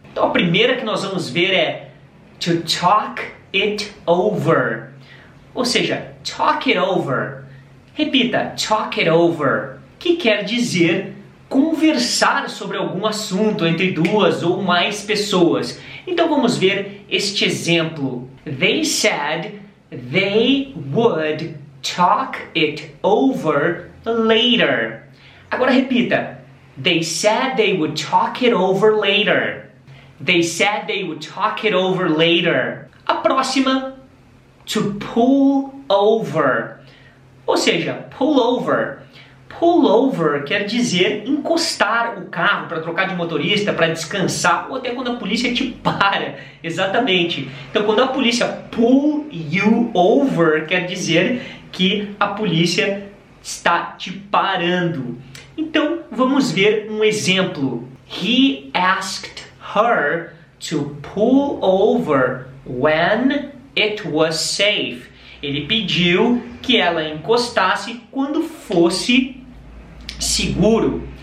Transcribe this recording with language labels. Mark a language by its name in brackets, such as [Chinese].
[Portuguese] Então a primeira que nós vamos ver é [English] to talk it over. [Portuguese] Ou seja, [English] talk it over. [Portuguese] Repita, [English] talk it over. [Portuguese] Que quer dizer conversar sobre algum assunto entre duas ou mais pessoas. Então vamos ver este exemplo. [English] They said they would talk it over later. [Portuguese] Agora repita. [English] They said they would talk it over later. They said they would talk it over later. [Portuguese] A próxima, [English] to pull over. [Portuguese] Ou seja, [English] pull over. Pull over [Portuguese] quer dizer encostar o carro para trocar de motorista, para descansar, ou até quando a polícia te para. Exatamente. Então, quando a polícia [English] pull you over, [Portuguese] quer dizer que a polícia está te parando. Então, vamos ver um exemplo. [English] He asked her to pull over when it was safe. [Portuguese] Ele pediu que ela encostasse quando fosse seguro.